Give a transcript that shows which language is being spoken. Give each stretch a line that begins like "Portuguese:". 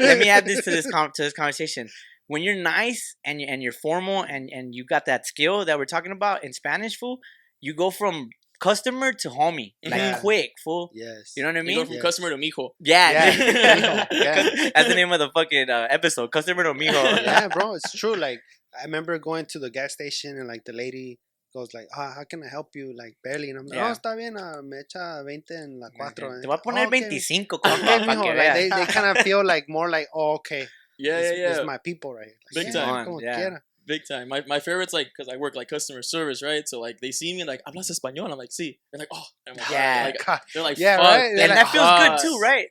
English: let me add this to this conversation. When you're nice and you're formal and you got that skill that we're talking about in Spanish, fool, you go from customer to homie, like quick, fool. Yes. You know what I mean? You go from customer to mijo. Yeah. That's the name of the fucking episode. Customer to mijo. Yeah, bro, it's true. Like, I remember going to the gas station and like the lady. Goes like, oh, how can I help you? Like, barely. And I'm like, oh,
Spanish: está bien, me echa 20 en la 4. Te voy a poner 25, compa, para que veas.
English: They kind of feel like more like, oh, okay. Yeah. This is my people right here. Like, big time.
Spanish: Como quiera.
English: Big time. My favorite's like, because I work like customer service, right? So like, they see me like,
Spanish: hablas español.
English: I'm like,
Spanish: sí.
English: They're like, oh. They're like, fuck. Right? And like, that feels good too, right?